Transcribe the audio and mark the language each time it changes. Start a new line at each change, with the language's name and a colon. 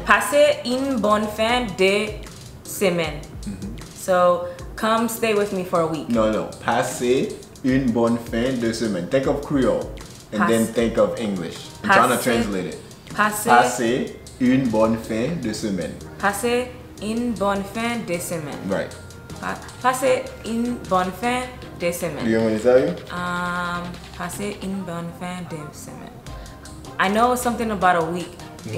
French: Passez une bonne fin de semaine. Mm-hmm.
English: So, come stay with me for a week. No, no.
French: Passez. Une bonne fin de semaine.
English: Think of Creole and passe, then think of English. I'm passe, trying to translate it.
French: Passez une bonne fin de semaine. Passez une bonne fin de semaine.
English: Right.
French: Passez une bonne fin de semaine.
English: Do you want me to tell you?
French: Passez une bonne fin de semaine.
English: I know something about a week mm-hmm.